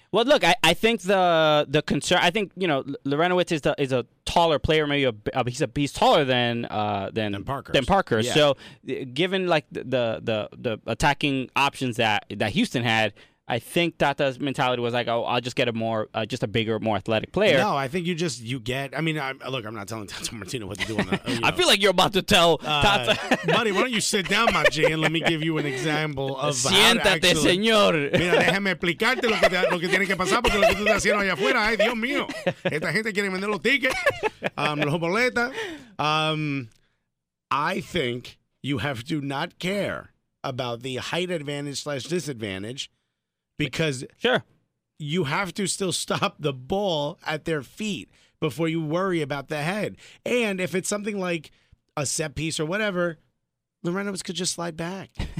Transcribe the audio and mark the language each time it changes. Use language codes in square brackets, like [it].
[en] Well, look, I think the concern, I think, you know, Lorenowitz is a taller player, maybe he's taller than Parkhurst. Yeah. So given like the attacking options that Houston had, I think Tata's mentality was like, I'll just get a more, just a bigger, more athletic player. No, I think you get, I mean, I'm not telling Tata Martino what to do. I feel like you're about to tell Tata. Buddy, why don't you sit down, my G, and let me give you an example of [es] Siéntate, [en] how to actually. [es] Siéntate, señor. Mira, déjame explicarte lo que tiene que pasar, porque lo que tú estás haciendo allá afuera, ay, Dios mío. Esta gente quiere vender los tickets, los boletas. [en] I think you have to not care about the height advantage / disadvantage. Because sure, you have to still stop the ball at their feet before you worry about the head. And if it's something like a set piece or whatever, Lorenowitz could just slide back.